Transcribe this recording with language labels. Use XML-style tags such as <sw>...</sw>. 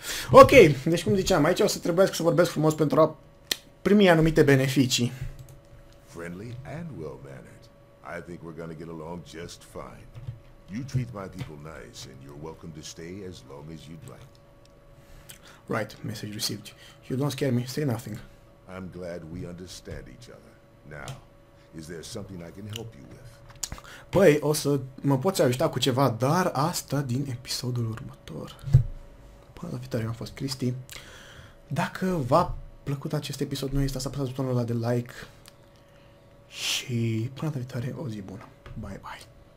<ro>Ok, deci cum ziceam, aici o să trebuiască să vorbesc frumos pentru a primi anumite beneficii.</ro> <en>Friendly and well-mannered. I think we're gonna get along just fine. You treat my people nice and you're welcome to stay as long as you'd like. Right, message received. You don't scare me, say nothing. I'm glad we understand each other. Now, is there something I can help you with?</en> <ro>Păi, o să mă poți ajuta cu ceva, dar asta din episodul următor. Până la viitoare, eu am fost Cristi. Dacă v-a plăcut acest episod, nu uitați să apăsați butonul ăla de like. Și până la viitoare, o zi bună.</ro> <en>Bye, bye.</en>